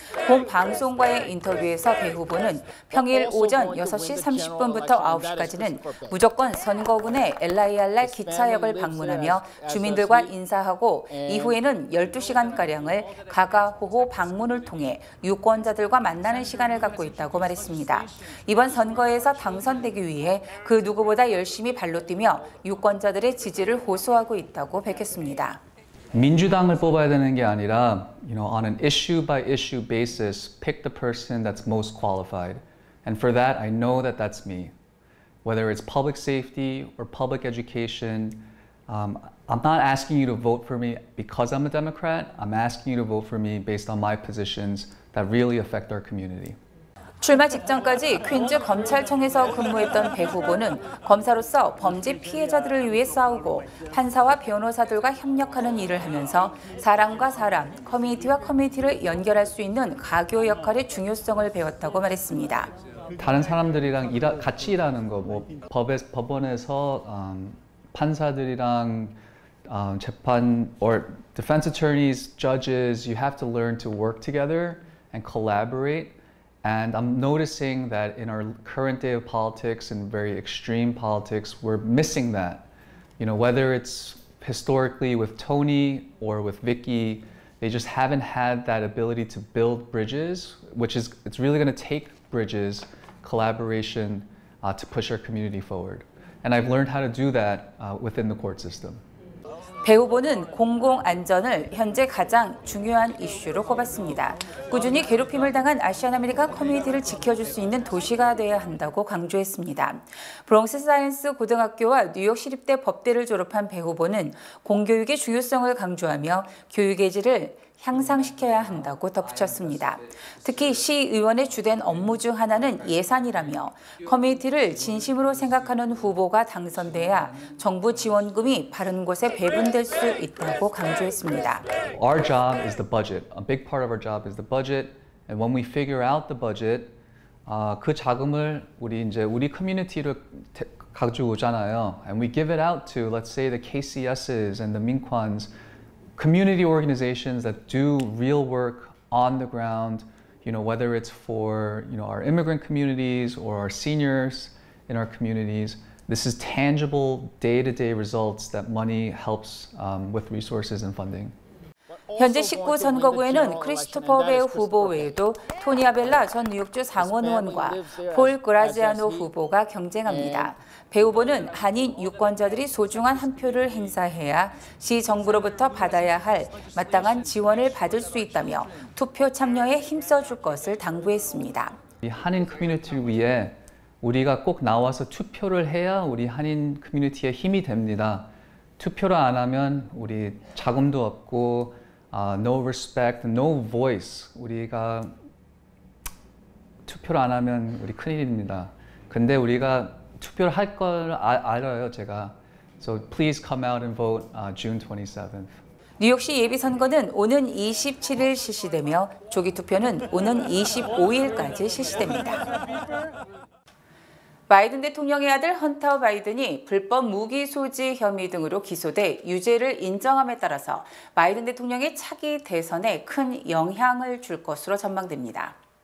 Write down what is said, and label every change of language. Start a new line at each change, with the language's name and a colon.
Korean: 본 방송과의 인터뷰에서 배 후보는 평일 오전 6시 30분부터 9시까지는 무조건 선거구 내 LIR 기차역을 방문하며 주민들과 인사하고 이후에는 12시간가량을 가가호호 방문을 통해 유권자들과 만나는 시간을 갖고 있다고 말했습니다. 이번 선거에서 당선되기 위해 그 누구보다 열심히 발로 뛰며 유권자들의 지지를 호소하고 있다고 밝혔습니다. 민주당을 뽑아야 되는 게 아니라,
English: you know, on an issue by issue basis, pick the person that's most qualified. And for that, I know that that's me. Whether it's public safety or public education, I'm not asking you to vote for me because I'm a Democrat. I'm asking you to vote for me based on my positions that really affect our community.
Korean: 출마 직전까지 퀸즈 검찰청에서 근무했던 배 후보는 검사로서 범죄 피해자들을 위해 싸우고 판사와 변호사들과 협력하는 일을 하면서 사람과 사람, 커뮤니티와 커뮤니티를 연결할 수 있는 가교 역할의 중요성을 배웠다고 말했습니다. 다른 사람들이랑 같이 일하는 거, 뭐 법원에서 판사들이랑 재판
English: or defense attorneys, judges, you have to learn to work together and collaborate. And I'm noticing that in our current day of politics and very extreme politics, we're missing that. You know, whether it's historically with Tony or with Vicky, they just haven't had that ability to build bridges, which is, it's really going to take bridges, collaboration to push our community forward. And I've learned how to do that within the court system.
Korean: 배 후보는 공공안전을 현재 가장 중요한 이슈로 꼽았습니다. 꾸준히 괴롭힘을 당한 아시안 아메리칸 커뮤니티를 지켜줄 수 있는 도시가 돼야 한다고 강조했습니다. 브롱스 사이언스 고등학교와 뉴욕시립대 법대를 졸업한 배 후보는 공교육의 중요성을 강조하며 교육의 질을 향상시켜야 한다고 덧붙였습니다. 특히 시의원의 주된 업무 중 하나는 예산이라며 커뮤니티를 진심으로 생각하는 후보가 당선돼야 정부 지원금이 바른 곳에 배분될 수 있다고 강조했습니다.
English: Our job is the budget. A big part of our job is the budget. And when we figure out the budget,
Korean: 그 자금을 우리 커뮤니티를 가지고 오잖아요.
English: And we give it out to, let's say, the KCSs and the Minkwans. Community organizations that do real work on the ground, you know, whether it's for, you know, our immigrant communities or our seniors in our communities, this is tangible day-to-day results that money helps with resources and funding.
Korean: 현재 19선거구에는 크리스토퍼 베 후보 외에도 토니 아벨라 전 뉴욕주 상원의원과 폴 그라지아노 후보가 경쟁합니다. 배 후보는 한인 유권자들이 소중한 한 표를 행사해야 시 정부로부터 받아야 할 마땅한 지원을 받을 수 있다며 투표 참여에 힘써줄 것을 당부했습니다. 이 한인 커뮤니티를 위해 우리가 꼭 나와서 투표를 해야 우리 한인 커뮤니티에 힘이 됩니다. 투표를 안 하면 우리 자금도 없고
English: no respect, no voice.
Korean: 우리가 투표를 안 하면 우리 큰일입니다. 근데 우리가 투표를 할걸 알아요, 제가.
English: So please come out and vote June 27th.
Korean: 뉴욕시 예비선거는 오는 27일 실시되며 조기 투표는 오는 25일까지 실시됩니다. 바이든 대통령의 아들 헌터 바이든이 불법 무기 소지 혐의 등으로 기소돼 유죄를 인정함에 따라서 바이든 대통령의 차기 대선에 큰 영향을 줄 것으로 전망됩니다.